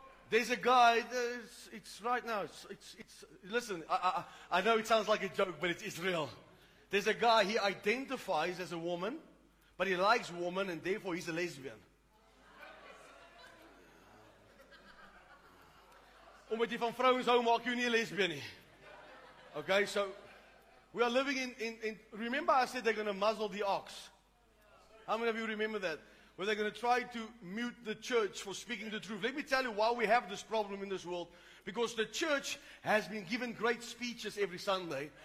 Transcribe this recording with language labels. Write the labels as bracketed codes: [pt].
[en] There's a guy, it's right now, listen, I know it sounds like a joke, but it's real. There's a guy, he identifies as a woman, but he likes women, and therefore he's a lesbian. [af] Omdat jy van vrouens hou, maak jy nie 'n lesbien nie. [en] Okay, so, we are living in, remember I said they're going to muzzle the ox. How many of you remember that? Where they're going to try to mute the church for speaking the truth. Let me tell you why we have this problem in this world. Because the church has been given great speeches every Sunday.